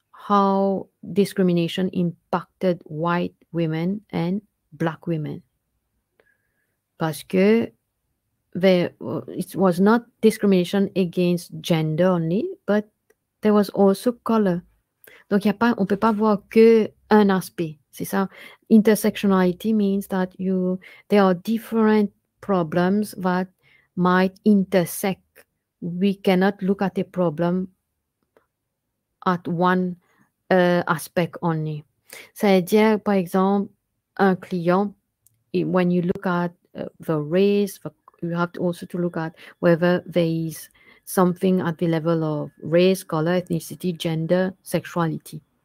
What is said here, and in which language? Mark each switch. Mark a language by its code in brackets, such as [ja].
[en] How discrimination impacted white women and black women. [fr] Parce que [en] it was not discrimination against gender only, but there was also color. [fr] Donc y a pas, on peut pas voir que un aspect. C'est ça. [en] Intersectionality means that there are different problems that might intersect. We cannot look at a problem at one aspect only. [fr] C'est-à-dire, par exemple, un client, [en] when you look at the race, you have to also to look at whether there is something at the level of race, color, ethnicity, gender, sexuality.